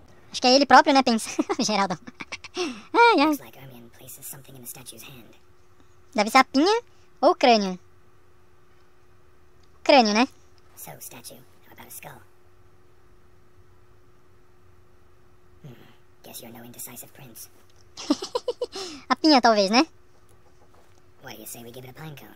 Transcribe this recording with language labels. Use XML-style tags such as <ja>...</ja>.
<pt>Acho que é ele próprio, né, pensa, Geraldo. Ai, ai.</pt> <en>Looks like Hermione places something in the statue's hand.</en> <pt>Deve ser a pinha ou o crânio. Crânio, né?</pt> <en>So, statue, how about a skull? Guess you're no indecisive prince.</en> <pt>A pinha, talvez, né?</pt> <en>What do you say we give it a pine cone?</en>